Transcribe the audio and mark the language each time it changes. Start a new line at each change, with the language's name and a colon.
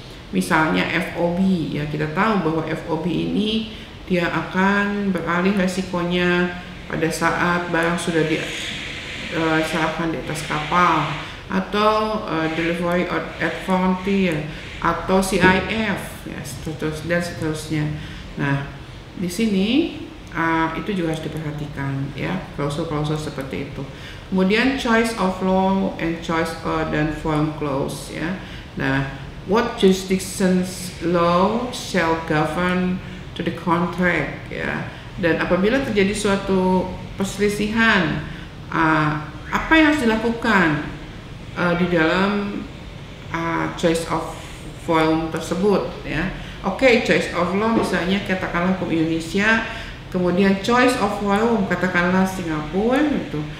Indonesian: Misalnya FOB ya, kita tahu bahwa FOB ini dia akan beralih risikonya pada saat barang sudah diserahkan di atas kapal, atau delivery at frontier, atau CIF, ya, seterusnya, dan seterusnya. Nah, di sini itu juga harus diperhatikan, ya, klausul-klausul seperti itu. Kemudian choice of law and choice dan form clause, ya.
English: Nah, what jurisdiction's law shall govern to the contract, ya.
Indonesian: Dan apabila terjadi suatu perselisihan, apa yang harus dilakukan di dalam choice of form tersebut, ya. Okay, choice of law misalnya katakanlah hukum Indonesia, kemudian choice of form katakanlah Singapura gitu.